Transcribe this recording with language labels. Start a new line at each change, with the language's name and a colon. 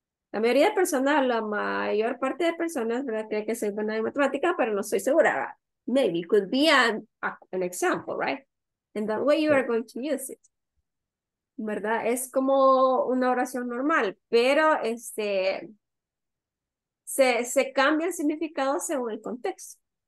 Spanish: La mayoría de personas, la mayor parte de personas, ¿verdad? Cree que soy buena en matemática, pero no estoy segura.
English: Maybe it could be an example, right? And that way you are going to use it.
Spanish: ¿Verdad? Es como una oración normal, pero se cambia el significado según el contexto.